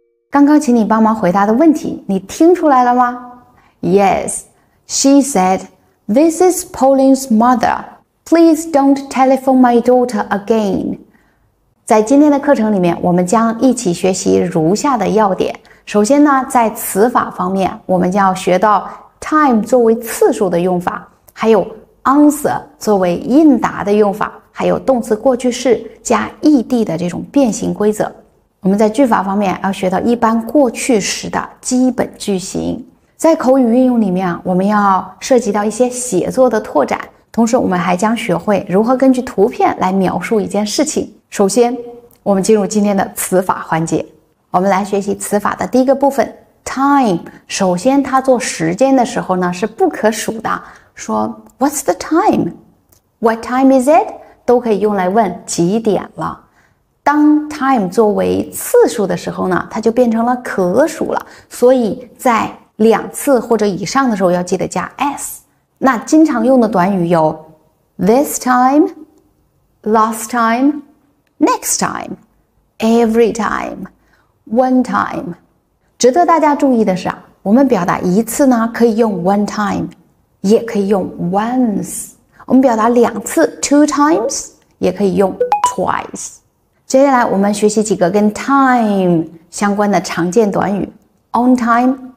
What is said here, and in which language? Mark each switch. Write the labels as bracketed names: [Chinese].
[Chinese] 刚刚请你帮忙回答的问题，你听出来了吗？ [English] Yes, she said, "This is Pauline's mother. Please don't telephone my daughter again." [Chinese] 在今天的课程里面，我们将一起学习如下的要点。首先呢，在词法方面，我们将要学到 time 作为次数的用法，还有 answer 作为应答的用法，还有动词过去式加 ed 的这种变形规则。我们在句法方面要学到一般过去时的基本句型。在口语运用里面，我们要涉及到一些写作的拓展，同时我们还将学会如何根据图片来描述一件事情。首先，我们进入今天的词法环节，我们来学习词法的第一个部分 time。首先，它做时间的时候呢是不可数的，说 [English] What's the time? What time is it? [Chinese] 都可以用来问几点了。当 time 作为次数的时候呢，它就变成了可数了，所以在两次或者以上的时候要记得加 s。那经常用的短语有 this time, last time, next time, every time, one time。值得大家注意的是啊，我们表达一次呢可以用 one time， 也可以用 once。我们表达两次 two times， 也可以用 twice。接下来我们学习几个跟 time 相关的常见短语 ，on time。